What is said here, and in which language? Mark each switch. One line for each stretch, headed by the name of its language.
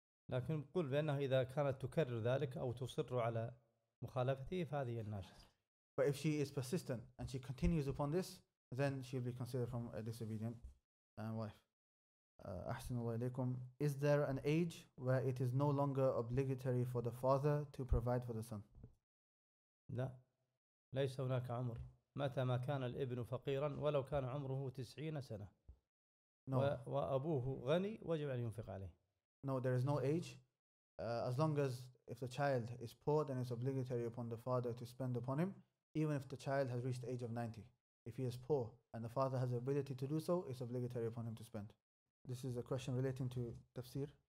Arabic: لكن قل بأنه إذا كانت تكرر ذلك أو تصر على مخالفته فهذه الناشز.
English: But if she is persistent and she continues upon this, then she'll be considered from a disobedient wife.
Arabic: أحسن الله إليكم.
English: Is there an age where it is no longer obligatory for the father to provide for the son?
Arabic: لا ليس هناك عمر متى ما كان الابن فقيرا ولو كان عمره 90 سنة.
English: No.
Arabic: وأبوه غني وجب أن ينفق عليه.
English: No, there is no age. As long as if the child is poor, then it's obligatory upon the father to spend upon him, even if the child has reached the age of 90. If he is poor and the father has the ability to do so, it's obligatory upon him to spend. This is a question relating to tafsir.